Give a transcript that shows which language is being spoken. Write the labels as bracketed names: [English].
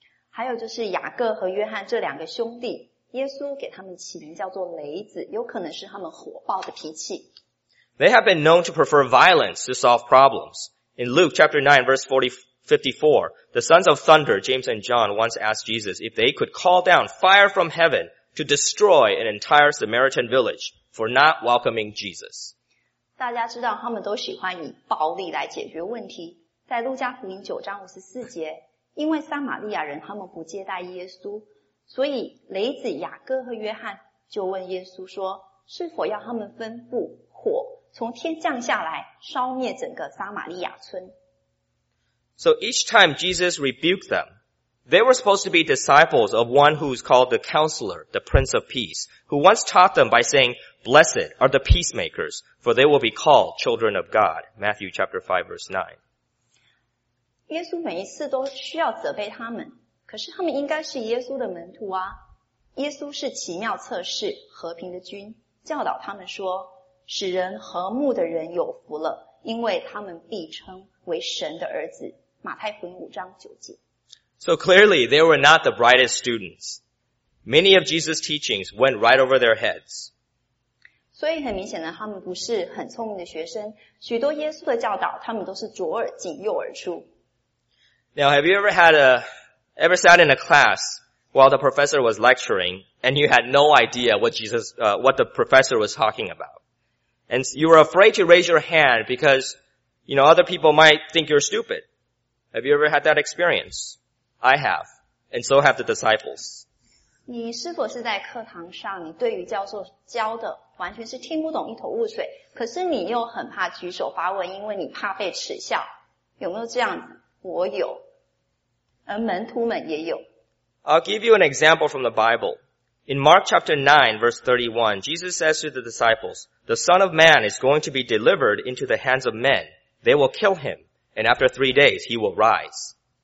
[Chinese] 还有就是雅各和约翰这两个兄弟，耶稣给他们起名叫做雷子，有可能是他们火爆的脾气。 [English] They have been known to prefer violence to solve problems. In Luke chapter 9 verse 54, the sons of thunder, James and John, once asked Jesus if they could call down fire from heaven to destroy an entire Samaritan village for not welcoming Jesus. [Chinese] 大家知道他们都喜欢以暴力来解决问题。在路加福音9章54节，因为撒玛利亚人他们不接待耶稣，所以雷子雅各和约翰就问耶稣说，是否要他们吩咐火从天降下来烧灭整个撒玛利亚村。 [English] So each time Jesus rebuked them, they were supposed to be disciples of one who is called the Counselor, the Prince of Peace, who once taught them by saying, Blessed are the peacemakers, for they will be called children of God. Matthew chapter 5 verse 9. [Chinese] 耶稣每一次都需要责备他们，可是他们应该是耶稣的门徒啊。耶稣是奇妙测试，和平的君，教导他们说，使人和睦的人有福了。因为他们必称为神的儿子，马太福音5章9节。 [English] So clearly, they were not the brightest students. Many of Jesus' teachings went right over their heads. [Chinese] 所以很明显的，他们不是很聪明的学生。许多耶稣的教导，他们都是左耳进右耳出。 [English] Now, have you ever sat in a class while the professor was lecturing, and you had no idea what the professor was talking about? And you were afraid to raise your hand because, you know, other people might think you're stupid. Have you ever had that experience? I have. And so have the disciples. [Chinese] 你是否是在课堂上，你对于教授教的完全是听不懂一头雾水，可是你又很怕举手发问，因为你怕被耻笑。有没有这样子？我有。而门徒们也有。 [English] I'll give you an example from the Bible. In Mark chapter 9 verse 31, Jesus says to the disciples, The Son of Man is going to be delivered into the hands of men. they will kill him, and after 3 days, he will rise.